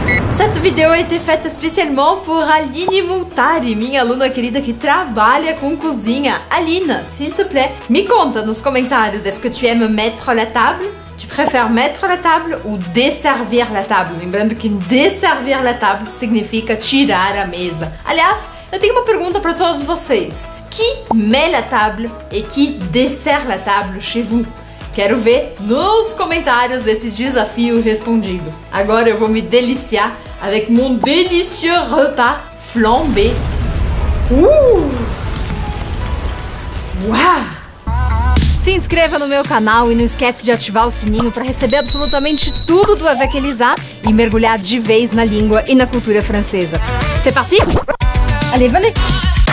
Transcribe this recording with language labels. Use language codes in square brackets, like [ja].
[fr] Cette vidéo a été faite spécialement pour Aline Multari, [pt] minha aluna querida que trabalha com cozinha. [fr] Aline, s'il te plaît, [pt] me conta nos comentários, [fr] est-ce que tu aimes mettre la table? Tu préfères mettre la table ou desservir la table? [pt] Lembrando que desservir la table significa tirar a mesa. Aliás, eu tenho uma pergunta para todos vocês. [fr] Qui met la table et qui dessert la table chez vous? [pt] Quero ver nos comentários esse desafio respondido. Agora eu vou me deliciar [fr] avec mon délicieux repas flambé. [pt] Se inscreva no meu canal e não esquece de ativar o sininho para receber absolutamente tudo do Avec Elisa e mergulhar de vez na língua e na cultura francesa. [fr] C'est parti? Allez, venez!